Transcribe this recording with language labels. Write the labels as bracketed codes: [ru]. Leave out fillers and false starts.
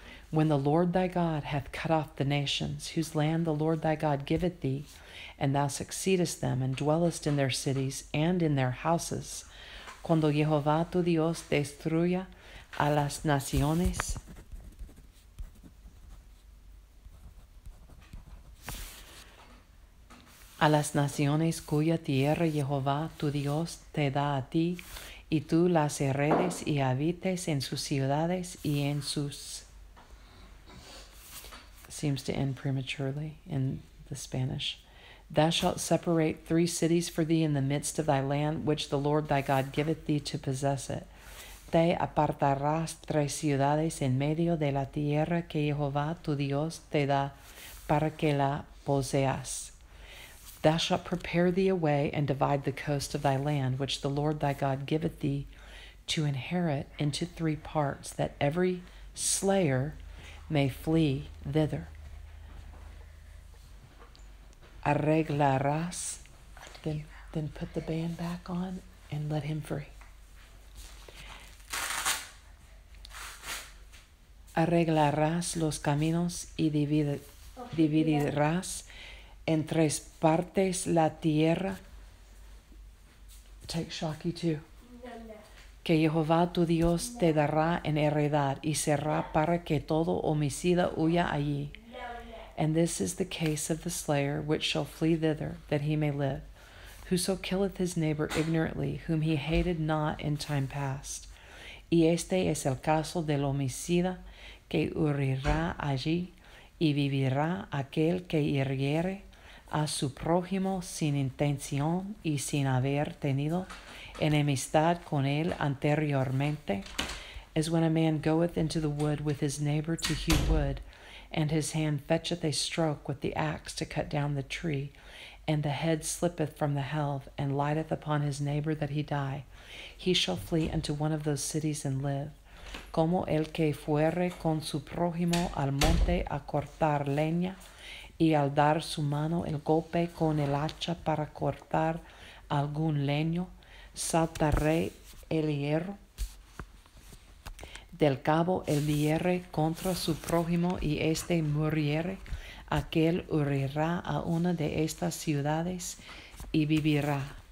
[en] When the Lord thy God hath cut off the nations, whose land the Lord thy God giveth thee, and thou succeedest them, and dwellest in their cities, and in their houses, [es] cuando Jehová tu Dios destruya a las naciones, a las naciones cuya tierra Jehová tu Dios te da a ti, y tú las heredes y habites en sus ciudades y en sus... [en] Seems to end prematurely in the Spanish. Thou shalt separate three cities for thee in the midst of thy land, which the Lord thy God giveth thee to possess it. [es] Te apartarás tres ciudades en medio de la tierra que Jehová tu Dios te da para que la poseas. [en] Thou shalt prepare thee a way and divide the coast of thy land, which the Lord thy God giveth thee to inherit into three parts, that every slayer may flee thither. [es] Arreglarás. [en] Then put the band back on and let him free. [es] Arreglarás los caminos y dividirás en tres partes la tierra. [en] Take Shocky too. [es] Que Jehová tu Dios te dará en heredad y será para que todo homicida huya allí. [en] And this is the case of the slayer which shall flee thither, that he may live. Whoso killeth his neighbor ignorantly, whom he hated not in time past. [es] Y este es el caso del homicida que huirá allí y vivirá aquel que hiriere a su prójimo sin intención y sin haber tenido enemistad con él anteriormente. [en] As when a man goeth into the wood with his neighbor to hew wood, and his hand fetcheth a stroke with the axe to cut down the tree, and the head slippeth from the helve, and lighteth upon his neighbor that he die, he shall flee unto one of those cities and live. [es] Como el que fuere con su prójimo al monte a cortar leña, y al dar su mano el golpe con el hacha para cortar algún leño, saltaré el hierro del cabo el hierre contra su prójimo y este muriere, aquel huirá a una de estas ciudades y vivirá.